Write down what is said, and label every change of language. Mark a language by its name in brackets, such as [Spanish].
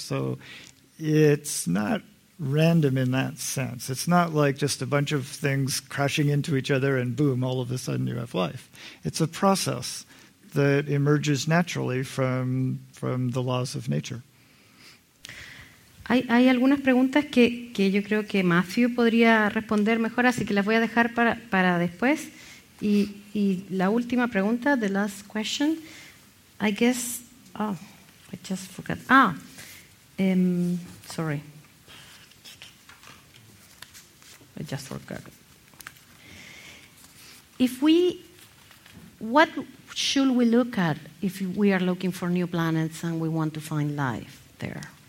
[English] So it's not random in that sense. It's not like just a bunch of things crashing into each other and boom, all of a sudden you have life. It's a process that emerges naturally from the laws of nature. [Spanish] Hay algunas preguntas que yo creo que Matthew podría responder mejor, así que las voy a dejar para después. Y la última pregunta, [English] the last question, I guess, what should we look at if we are looking for new planets and we want to find life there?